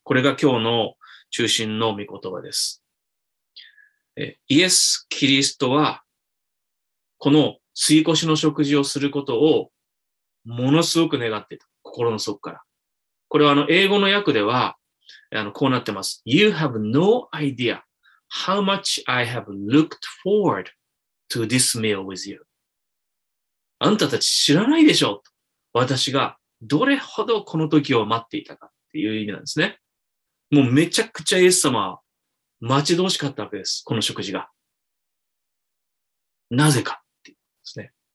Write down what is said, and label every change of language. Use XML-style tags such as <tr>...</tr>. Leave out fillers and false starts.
<ja>これが今日の中心の御言葉です。イエス・キリストは、この杉越の食事をすることをものすごく願っていた。心の底から。これは英語の訳では、こうなってます。</ja> <en>You have no idea how much I have looked forward to this meal with you.</en> <ja>あんたたち知らないでしょう。私がどれほどこの時を待っていたかっていう意味なんですね。もうめちゃくちゃイエス様は待ち遠しかったわけです。この食事が。なぜかっていうことですね。</ja>